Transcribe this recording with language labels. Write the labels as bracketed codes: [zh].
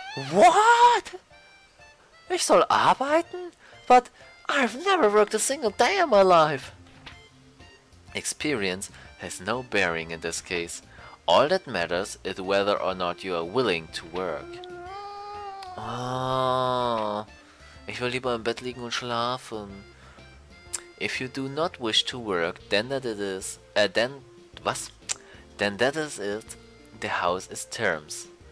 [en] What? [de] Ich soll arbeiten? [en] But I've never worked a single day in my life. Experience has no bearing in this case. All that matters is whether or not you are willing to work. [de] Oh, ich will lieber im Bett liegen und schlafen. [en] If you do not wish to work, then that it is, then that is it, the house is terms.